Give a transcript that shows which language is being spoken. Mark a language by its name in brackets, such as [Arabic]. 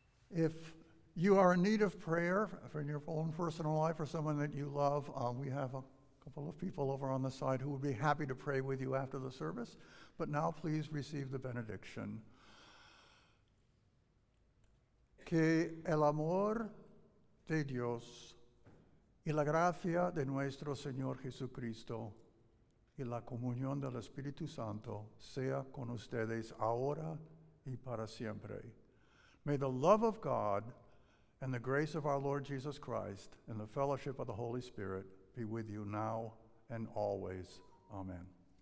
[English] If you are in need of prayer for your own personal life or someone that you love, we have a couple of people over on the side who would be happy to pray with you after the service. But now please receive the benediction. [Spanish] Que el amor de Dios y la gracia de nuestro Señor Jesucristo y la comunión del Espíritu Santo sea con ustedes ahora y para siempre. [English] May the love of God and the grace of our Lord Jesus Christ and the fellowship of the Holy Spirit be with you now and always. Amen.